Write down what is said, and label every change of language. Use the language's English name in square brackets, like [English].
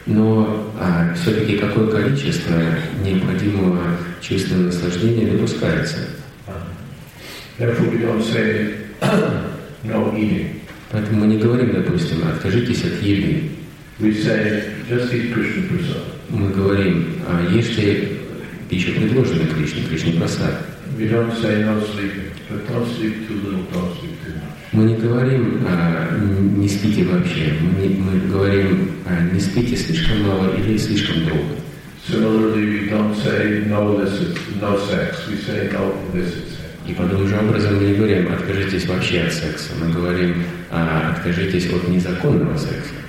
[Russian] Но все-таки какое количество необходимого чувственного наслаждения допускается? [English] Therefore we don't say no eating. [Russian] Поэтому мы не говорим, допустим, откажитесь от еды. [English] We say just eat Krishna prasad. [Russian] Мы говорим, ешьте пищу, предложенную Кришне, Кришне прасад. [English] We don't say no sleeping, but don't sleep too little, don't sleep too much. [Russian] Мы не говорим «не спите вообще», мы говорим «не спите слишком много» или «слишком долго». [English] Similarly, we don't say no illicit, no sex, we say no illicit sex. [Russian] И подобным же образом мы не говорим «откажитесь вообще от секса», мы говорим «откажитесь от незаконного секса».